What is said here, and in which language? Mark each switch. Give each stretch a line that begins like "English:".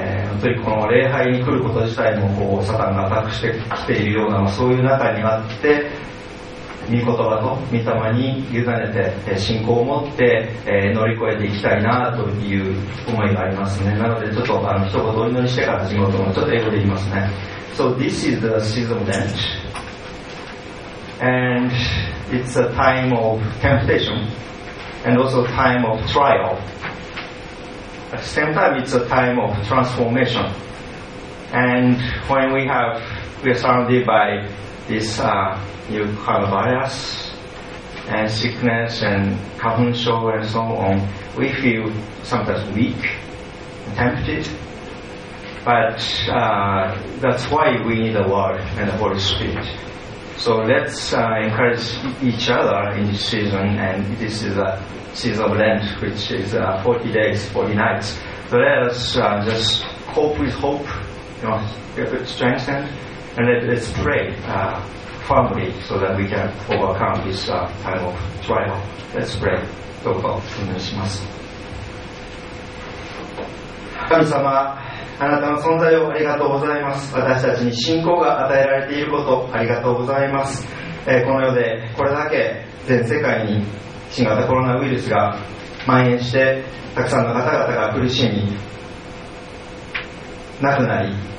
Japanese: 本当にこの礼拝に来ること自体もこうサタンがアタックしてきているような、そういう中にあって、御言葉と御霊に委ねて信仰を持って、乗り越えていきたいなという思いがありますね。なのでちょっと一言お祈りしてから始めようと思います。ちょっと英語で言いますね。
English: So this is the season of Lent and it's a time of temptation and also time of trial. At the same time it's a time of transformation. And when we are surrounded by this new coronavirus and sickness and 花粉症 and so on, we feel sometimes weak and tempted. But that's why we need the Word and the Holy Spirit. So let's encourage each other in this season, and this is a season of Lent, which is 40 days, 40 nights. So let us just cope with hope, you know, get it strengthened. And let's pray firmly so that we can overcome this time of trial. Let's pray.
Japanese: どうぞお願いします。神様、あなたの存在をありがとうございます。私たちに信仰が与えられていることありがとうございます。この世でこれだけ全世界に新型コロナウイルスが蔓延して、たくさんの方々が苦しみ亡くなり、